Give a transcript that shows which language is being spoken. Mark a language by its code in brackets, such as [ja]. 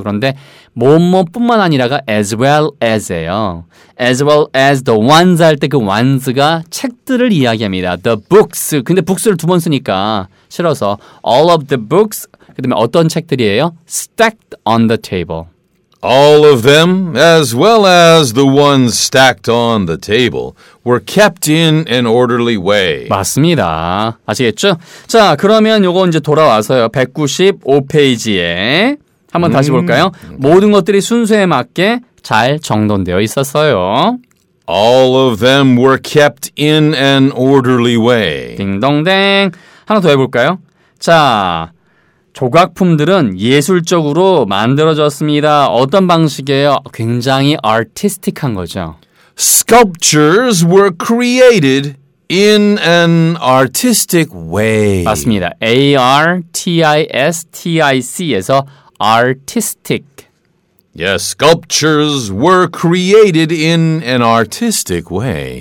[ko] 그런데 뭐뿐만 아니라가 as well as예요. [en] As well as the ones [ko] 할 때 그 ones가 책들을 이야기합니다. [en] The books. [ko] 근데 books를 두 번 쓰니까 싫어서 [en] all of the books. [ko] 그 다음에 어떤 책들이에요? [en] Stacked on the table. All of them, as well as the ones stacked on the table, were kept in an orderly way. [ko] 맞습니다. 아시겠죠? 자, 그러면 요거 이제 돌아와서요. 195페이지에 한번 다시 볼까요? 모든 것들이 순서에 맞게 잘 정돈되어 있었어요. [en] All of them were kept in an orderly way. [ko] 딩동댕. 하나 더 해볼까요? 자, 조각품들은 예술적으로 만들어졌습니다. 어떤 방식이에요? 굉장히 아티스틱한 거죠. [en] Sculptures were created in an artistic way. [ko] 맞습니다. [en] A-R-T-I-S-T-I-C에서 artistic. Yes, sculptures were created in an artistic way.